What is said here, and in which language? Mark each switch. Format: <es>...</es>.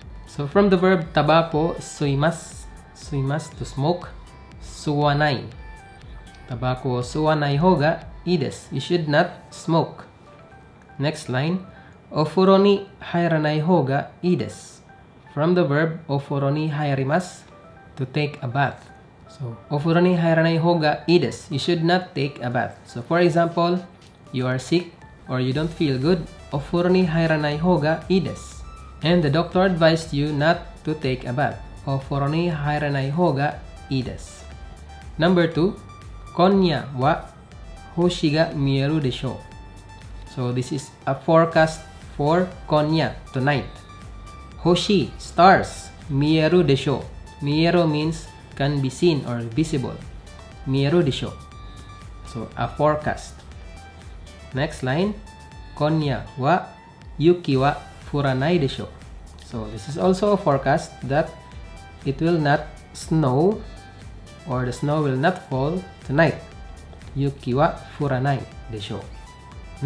<en>So from the verb</en> <ja>タバコ吸います吸います</ja> <en>to smoke</en> <ja>吸わないタバコを吸わない方がいいです。</ja> <en>You should not smoke. Next line</en> <ja>お風呂に入らない方がいいです。</ja> <en>From the verb</en> <ja>お風呂に入ります</ja> <en>to take a bath.</en> <ja>So お風呂に入らない方がいいです。</ja> <en>You should not take a bath. So for example, you are sick or you don't feel good.</en> <ja>お風呂に入らない方がいいです。</ja> <en>And the doctor advised you not to take a bath.</en> <ja>お風呂に入らない方がいいです。</ja> <en>Number 2.</en> <ja>今夜は星が見えるでしょう。</ja> <en>So this is a forecast for 今夜, tonight. 星, stars,</en> <ja>見えるでしょう.</ja> <en>見える means can be seen or visible. 見えるでしょう. So a forecast. Next line,</en> <ja>今夜は雪は降らないでしょう.</ja> <en>So this is also a forecast that it will not snow or the snow will not fall tonight.</en> <ja>雪は降らないでしょう.</ja>